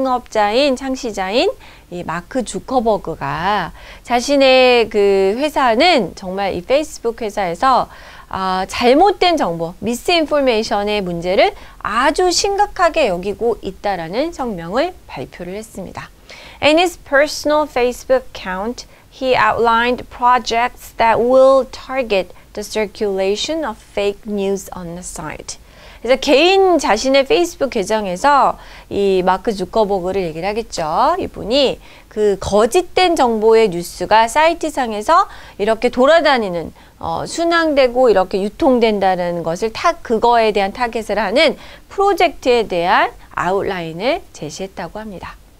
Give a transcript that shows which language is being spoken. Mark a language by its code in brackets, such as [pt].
[ko] 창시자인 이 마크 주커버그가 자신의 그 회사는 정말 이 페이스북 회사에서 잘못된 정보, 미스인포메이션의 문제를 아주 심각하게 여기고 있다라는 성명을 발표를 했습니다. [en] In his personal Facebook account, he outlined projects that will target the circulation of fake news on the site. [ko] 그래서 개인 자신의 페이스북 계정에서 이 마크 주커버그를 얘기를 하겠죠. 이분이 그 거짓된 정보의 뉴스가 사이트상에서 이렇게 돌아다니는 순항되고 이렇게 유통된다는 것을 그거에 대한 타겟을 하는 프로젝트에 대한 아웃라인을 제시했다고 합니다.